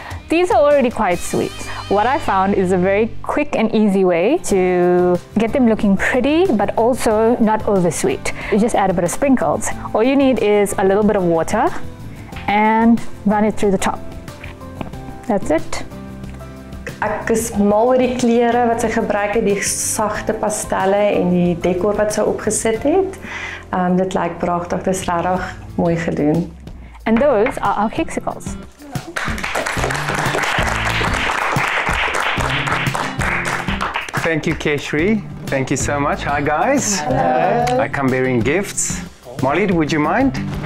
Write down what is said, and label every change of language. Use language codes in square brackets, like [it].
[en] These are already quite sweet. What I found is a very quick and easy way to get them looking pretty, but also not oversweet. You just add a bit of sprinkles. All you need is a little bit of water and run it through the top. That's it. [af] Ek is mal oor die kleure wat sy gebruik het, die sagte pastelle en die dekor wat sy opgesit het. Dit lyk pragtig, dit is regtig mooi gedoen. [en] And those are our cakesicles. Thank you, Keshri. Thank you so much. Hi, guys. Hello. I come bearing gifts. Molly, would you mind?